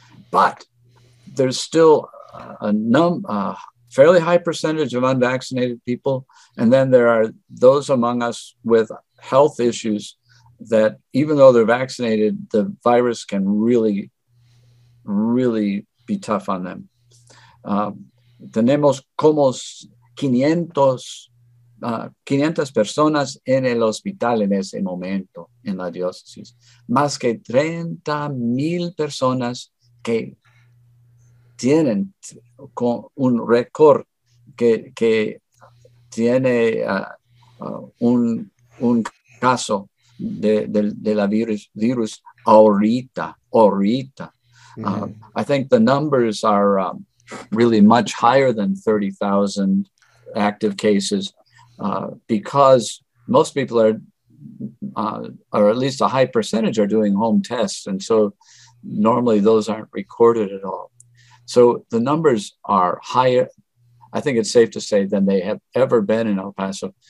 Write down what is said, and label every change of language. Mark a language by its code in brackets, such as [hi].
[en] But there's still a fairly high percentage of unvaccinated people. And then there are those among us with health issues that even though they're vaccinated, the virus can really, really be tough on them. [es] Tenemos como 500 personas en el hospital en ese momento en la diócesis. Más que 30,000 personas que tienen con un récord que tiene un caso de la virus ahorita. Mm-hmm. [en] I think the numbers are really much higher than 30,000 active cases because most people are, or at least a high percentage are doing home tests. And so normally those aren't recorded at all. So the numbers are higher, I think it's safe to say, than they have ever been in El Paso.